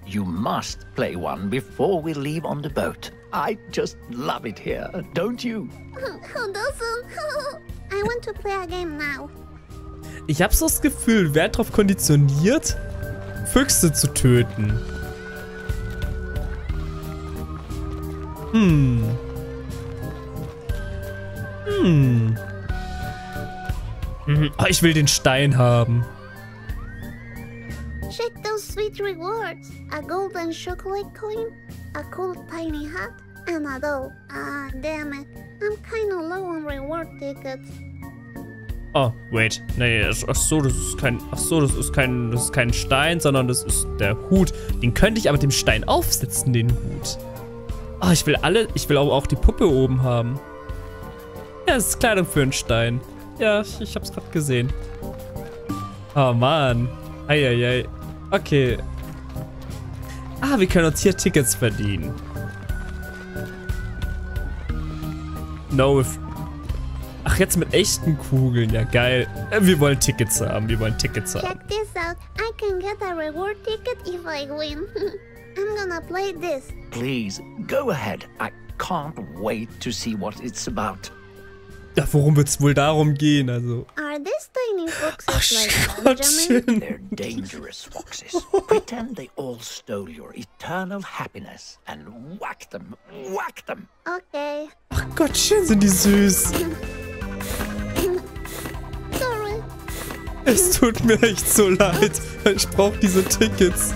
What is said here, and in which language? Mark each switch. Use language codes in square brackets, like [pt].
[en] You must play one before we leave on the boat. I just love it here, don't you? Who doesn't? I want to play a game now. [de] Ich hab so das Gefühl, wer drauf konditioniert, Füchse zu töten. Oh, ich will den Stein haben. [en] Check those sweet rewards. A golden chocolate coin, a cool tiny hat, and a doll. Ah, damn it. I'm kinda low on reward tickets. Oh, wait. [de] Nee, das ist kein Stein, sondern das ist der Hut. Den könnte ich aber dem Stein aufsetzen, den Hut. Oh, ich will auch die Puppe oben haben. Ja, das ist Kleidung für einen Stein. Ja, ich hab's gerade gesehen. Oh Mann. Eieiei. Okay. Ah, wir können uns hier Tickets verdienen. No. Ach, jetzt mit echten Kugeln. Ja, geil. Wir wollen Tickets haben. [en] Check this out. I can get a reward ticket if I win. I'm gonna play this. Please, go ahead. I can't wait to see what it's about. [de] Ja, worum wird's wohl darum gehen, also? [en] Are these tiny foxes [de] Schottchen. [en] They're dangerous foxes. Pretend they all stole your eternal happiness and whack them, whack them. Okay. [de] Ach Gottchen, sind die süß. [en] Sorry. [de] Es tut mir echt so leid. Ich brauch diese Tickets.